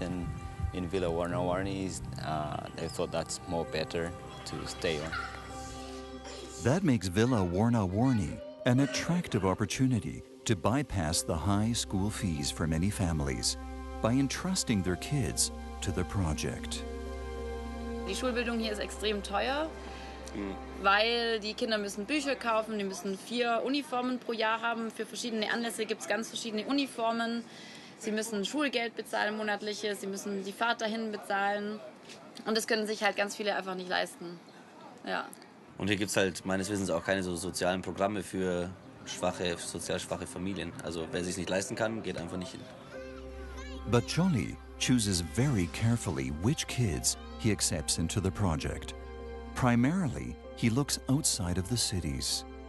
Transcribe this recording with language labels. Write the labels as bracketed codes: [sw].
[en] And in Villa Warna Warni, they thought that's more better to stay on. That makes Villa Warna Warni an attractive opportunity to bypass the high school fees for many families by entrusting their kids to the project. [de] Die Schulbildung hier ist extrem teuer, weil die Kinder müssen Bücher kaufen, die müssen 4 Uniformen pro Jahr haben. Für verschiedene Anlässe gibt es ganz verschiedene Uniformen. Sie müssen Schulgeld bezahlen, monatliches, sie müssen die Fahrt dahin bezahlen. Und das können sich halt ganz viele einfach nicht leisten. Ja. Und hier gibt es halt meines Wissens auch keine so sozialen Programme für schwache, sozial schwache Familien. Also wer es sich nicht leisten kann, geht einfach nicht hin. [en] But Jolly chooses very carefully which kids he accepts into the project. Primarily, he looks outside of the cities.